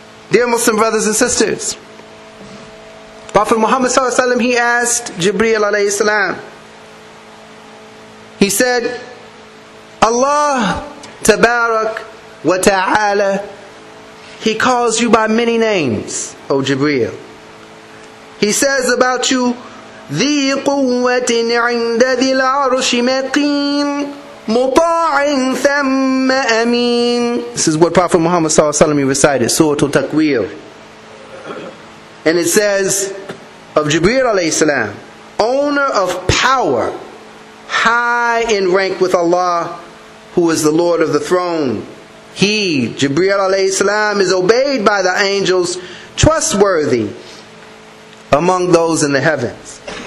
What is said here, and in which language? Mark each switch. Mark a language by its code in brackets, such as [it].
[en] Dear Muslim brothers and sisters, Prophet Muhammad sallallahu alaihi wasallam, he asked Jibreel alayhi salam, he said, Allah tabarak wa ta'ala, he calls you by many names, O Jibreel. He says about you, [ar] ذِي قُوَّةٍ عِنْدَ ذِي الْعَرُشِ مَقِيمٍ مُطَاعٍ ثَمَّ أَمِينٍ. [en] This is what Prophet Muhammad sallallahu alaihi wasallam recited, Surah Al-Takwir. And it says of Jibreel alayhi salam, owner of power, high in rank with Allah, who is the Lord of the throne. He, Jibreel alayhi salam, is obeyed by the angels, trustworthy among those in the heavens.